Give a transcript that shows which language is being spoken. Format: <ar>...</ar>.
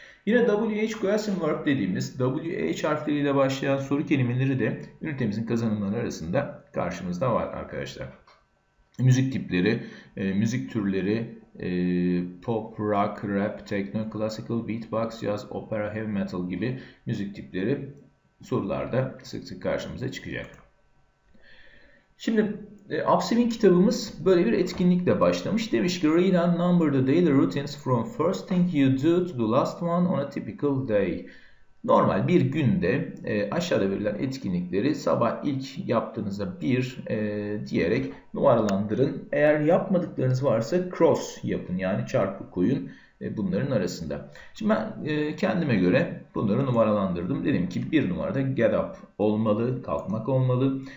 <tr>Yine WH question mark dediğimiz WH harfleriyle başlayan soru kelimeleri de ünitemizin kazanımları arasında karşımızda var arkadaşlar. Müzik tipleri, müzik türleri, pop, rock, rap, techno, classical, beatbox, jazz, opera, heavy metal gibi müzik tipleri sorularda sık sık karşımıza çıkacak. Şimdi Upsweep'in kitabımız böyle bir etkinlikle başlamış. Demiş ki,</tr> <en>read and number the daily routines from first thing you do to the last one on a typical day.</en> <tr>Normal bir günde aşağıda verilen etkinlikleri sabah ilk yaptığınızda bir diyerek numaralandırın. Eğer yapmadıklarınız varsa cross yapın, yani çarpı koyun bunların arasında. Şimdi ben kendime göre bunları numaralandırdım. Dedim ki bir numarada</tr> <en>get up</en> <tr>olmalı, kalkmak olmalı.</tr>